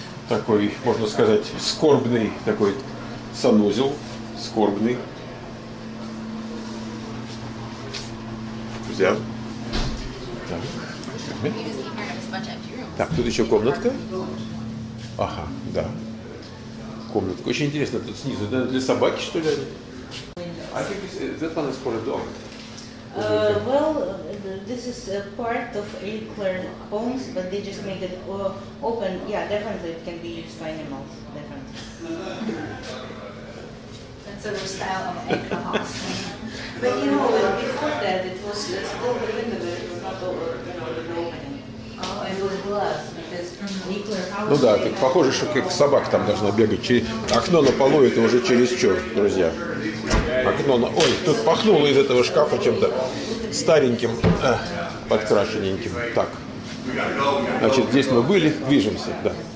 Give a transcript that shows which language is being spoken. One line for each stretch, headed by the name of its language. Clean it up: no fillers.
Russian: Такой, можно сказать, скорбный такой санузел, скорбный. Друзья. Так, тут еще комнатка. Ага, да. Комнатка. Очень интересно, тут снизу, это для собаки, что ли?
English: I think that one is for a dog. Well, this is a part of Eichler homes, but they just make it open. Yeah, definitely it can be used by animals, definitely. That's another style of Eichler house. But you know, well, before that it was still the window, but it was not over, the opening. Oh, and it was glass, because Eichler house...
Russian: Ну да, так похоже, что как собак там должна бегать. Окно на полу, это уже чересчур, друзья. Окно на... Ой, тут пахнуло из этого шкафа чем-то стареньким, подкрашененьким. Так, значит, здесь мы были, движемся, да.